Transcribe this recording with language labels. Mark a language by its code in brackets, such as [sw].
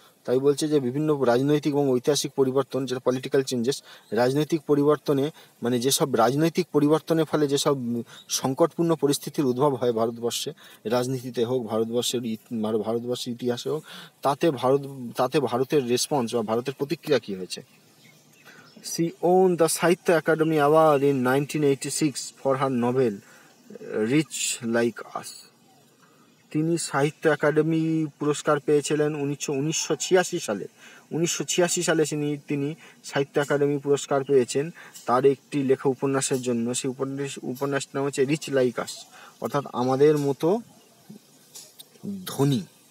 [bn] তাই বলছে যে বিভিন্ন রাজনৈতিক এবং ঐতিহাসিক পরিবর্তন, যেটা পলিটিক্যাল চেঞ্জেস, রাজনৈতিক পরিবর্তনে মানে যেসব রাজনৈতিক পরিবর্তনের ফলে যেসব সংকটপূর্ণ পরিস্থিতির উদ্ভব হয় ভারতবর্ষে, রাজনীতিতে হোক, ভারতবর্ষের ইতিহাসে হোক, তাতে ভারতের রেসপন্স বা ভারতের প্রতিক্রিয়া কী হয়েছে, [en] She won the Sahitya Academy Award in 1986 for her novel Rich Like Us. [bn] তিনি সাহিত্য একাডেমি পুরস্কার পেয়েছিলেন উনিশশো ছিয়াশি সালে তিনি সাহিত্য একাডেমি পুরস্কার পেয়েছেন তার একটি লেখা উপন্যাসের জন্য। সেই উপন্যাসের নাম হচ্ছে রিচ লাইক আস, অর্থাৎ আমাদের মতো ধনী।